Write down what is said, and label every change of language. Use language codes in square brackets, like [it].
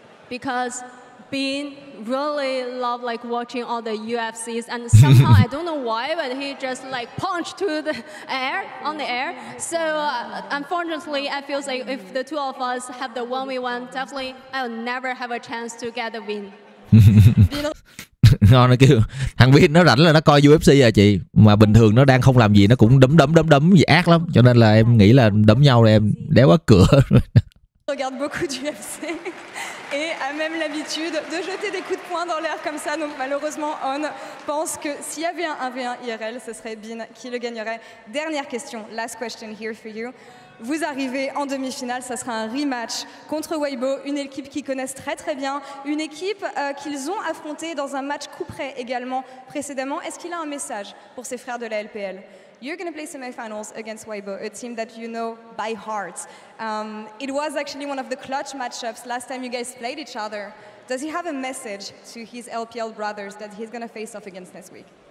[en] Because Bin really love like watching all the UFCs, and somehow I don't know why, but he just like punched to the air on the air. So unfortunately, I feel like if the two of us have the 1v1, definitely I'll never have a chance to get the win. [vi] Nó kêu thằng Bin nó rảnh là nó coi UFC à chị, mà bình thường nó đang không làm gì nó cũng đấm gì ác lắm, cho nên là em nghĩ là đấm nhau rồi em đéo quá cửa. [fr] Regarde beaucoup d'UFC et a même l'habitude de jeter des coups de poing dans l'air comme ça, donc malheureusement On pense que s'il y avait un 1v1 IRL, ce serait Bin qui le gagnerait. Dernière question, [en] last question here for you. [fr] Vous arrivez en demi-finale, ça sera un rematch contre Weibo, une équipe qu'ils connaissent très très bien, une équipe qu'ils ont affrontée dans un match couperet également précédemment. Est-ce qu'il a un message pour ses frères de la LPL? [en] You're going to play semifinals against Weibo, a team that you know by heart. It was actually one of the clutch matchups last time you guys played each other. Does he have a message to his LPL brothers that he's going to face off against this week?